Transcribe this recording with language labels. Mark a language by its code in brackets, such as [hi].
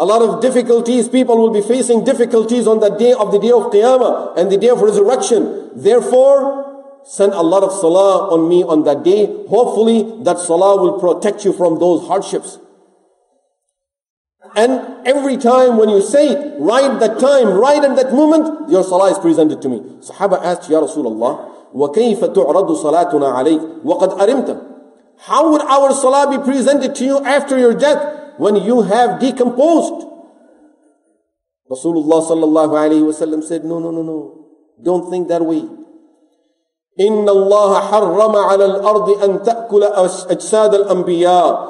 [en] A lot of difficulties. People will be facing difficulties on that day of the day of Qiyamah and the day of resurrection. Therefore, send a lot of salah on me on that day. Hopefully, that salah will protect you from those hardships. And every time when you say it, right that time, right in that moment, your salah is presented to me. Sahaba asked, [ar] Ya Rasulullah, وَكَيْفَ تُعْرَضُ صَلَاتُنَا عَلَيْكَ وَقَدْ أَرِمْتَ. [en] How would our salah be presented to you after your death when you have decomposed? Rasulullah sallallahu alayhi wa sallam said, No. Don't think that way. [ar] إِنَّ اللَّهَ حَرَّمَ عَلَى الْأَرْضِ أَن تَأْكُلَ أَجْسَادَ الْأَنْبِيَاءِ.